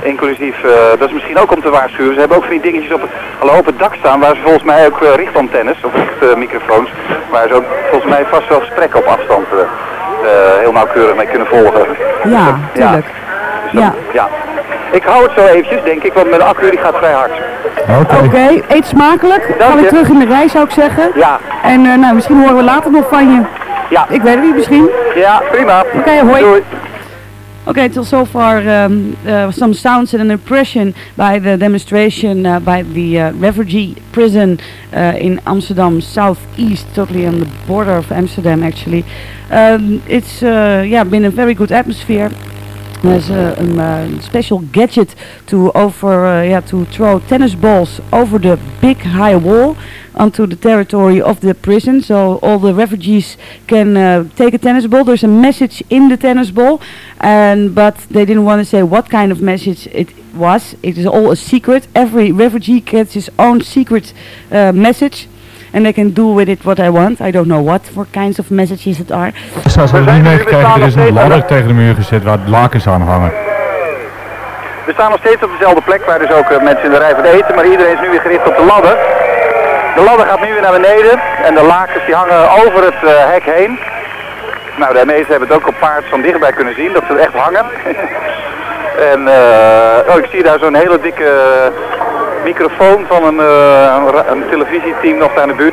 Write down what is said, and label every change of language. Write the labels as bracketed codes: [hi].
[nl] Inclusief, dat is misschien ook om te waarschuwen. Ze hebben ook van die dingetjes op het dak staan waar ze volgens mij ook richtantennes of richtmicrofoons, waar ze ook volgens mij vast wel gesprekken op afstand heel nauwkeurig mee kunnen volgen. Ja, tuurlijk. Ja. Dus dan, ja. Ik hou het zo eventjes, denk ik, want mijn accu die gaat vrij hard. Oké, eet smakelijk. Dank je. Ga ik terug in de rij, zou ik zeggen. Ja. En nou, misschien horen we later nog van je. Ja. Ik weet het niet, misschien. Ja, prima. Oké, hoi. Doei. [en] Okay, till so far some sounds and an impression by the demonstration by the refugee prison in Amsterdam southeast, totally on the border of Amsterdam actually. It's been a very good atmosphere. There's a special gadget to throw tennis balls over the big high wall onto the territory of the prison, so all the refugees can take a tennis ball. There's a message in the tennis ball, but they didn't want to say what kind of message it was. It is all a secret. Every refugee gets his own secret message, and they can do with it what I want. I don't know what for kinds of messages it are. [nl] Zoals we nu meegekregen, er is een ladder tegen de muur gezet waar lakens aan hangen. We staan nog steeds op dezelfde plek waar dus ook mensen in de rij van eten, maar iedereen is nu weer gericht op de ladder. De ladder gaat nu weer naar beneden en de lakens die hangen over het hek heen. Nou, de meesten hebben het ook op paard van dichtbij kunnen zien, dat ze er echt hangen. En ik zie daar zo'n hele dikke microfoon van een televisieteam nog aan de buurt.